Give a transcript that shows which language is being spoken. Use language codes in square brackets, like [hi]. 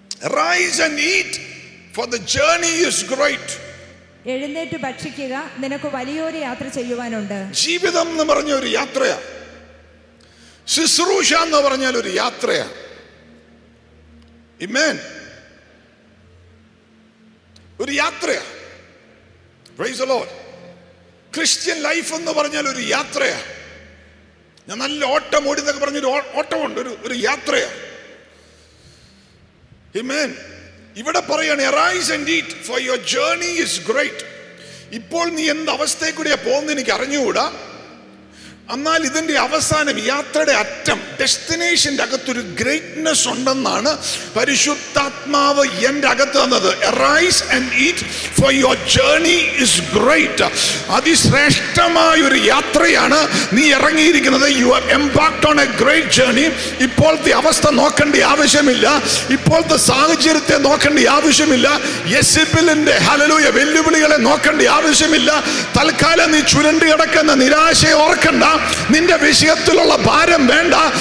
[en] Rise and eat, for the journey is great. [ml] എഴുന്നേറ്റ് ഭക്ഷിക്കുക, നിനക്ക് വലിയൊരു യാത്ര ചെയ്യുവാനുണ്ട്. ജീവിതം എന്ന് പറഞ്ഞ ഒരു യാത്രയാ, ശുശ്രൂഷ എന്ന് പറഞ്ഞാൽ ഒരു യാത്രയാ. Amen. ഒരു യാത്രയാ. [en] Praise the Lord. [ml] Christian life എന്ന് പറഞ്ഞാൽ ഒരു യാത്രയാ. ഞാൻ നല്ല ഓട്ടം ഓടി എന്നൊക്കെ പറഞ്ഞൊരു ഓട്ടമുണ്ട്, ഒരു ഒരു യാത്രയാണ്. ആമേൻ. ഇവിടെ പറയുകയാണ്, [en] arise and eat, for your journey is great. [ml] ഇപ്പോൾ നീ എന്ത് അവസ്ഥയിൽ കൂടിയാ പോകുന്നത് എനിക്ക് അറിഞ്ഞുകൂടാ. എന്നാൽ ഇതിൻ്റെ അവസാനം, യാത്രയുടെ അറ്റം, ഡെസ്റ്റിനേഷൻ്റെ അകത്തൊരു ഗ്രേറ്റ്നെസ് ഉണ്ടെന്നാണ് പരിശുദ്ധാത്മാവ് എൻ്റെ അകത്ത് തന്നത്. [en] Arise and eat, for your journey is great. [ml] അതിശ്രേഷ്ഠമായ ഒരു യാത്രയാണ് നീ ഇറങ്ങിയിരിക്കുന്നത്. [en] You are embarked on a great journey. [ml] ഇപ്പോഴത്തെ അവസ്ഥ നോക്കേണ്ട ആവശ്യമില്ല, ഇപ്പോഴത്തെ സാഹചര്യത്തെ നോക്കേണ്ട ആവശ്യമില്ല, യെസിബിലിൻ്റെ ഹല്ലേലൂയ വെല്ലുവിളികളെ നോക്കേണ്ട ആവശ്യമില്ല. തൽക്കാലം നീ ചുരണ്ടി കിടക്കുന്ന നിരാശയെ ഓർക്കണ്ട, നിന്റെ വിഷയത്തിലുള്ള ഭാരം വേണ്ട.